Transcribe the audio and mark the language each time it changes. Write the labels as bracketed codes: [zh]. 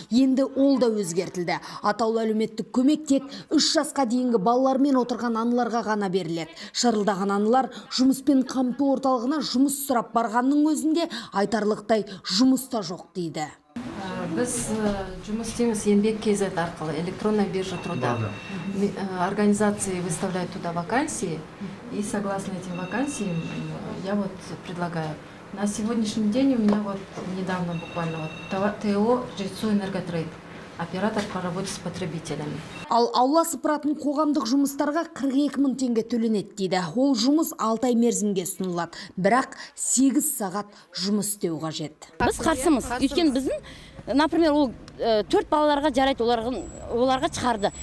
[kk] Енді ол да өзгертілді. Атаулы әлеуметтік көмек тек 3 жасқа дейінгі балалармен отырған аналарға ғана беріледі. Шырылдаған аналар жұмыспен қамту орталығына жұмыс сұрап барғанның өзінде айтарлықтай жұмыста жоқ дейді. Біз жұмыс істейміз еңбек кезі арқылы [ru] электронная биржа труда. Организации выставляют туда вакансии, и согласно этим вакансиям я вот предлагаю. На сегодняшний день у меня вот недавно буквально вот ТО «Жильцу энерготрейд». Оператор по работе с потребителями. [kk] Ал аула сыпыратын қоғамдық жұмыстарға 42 мың теңге төленеді дейді. Ол жұмыс 6 ай мерзімге ұсынылады. Бірақ 8 сағат жұмыс істеу қажет. Біз қарсымыз. Өйткені біздің, например, ол 4 балаларға жарайды, оларға шығарды.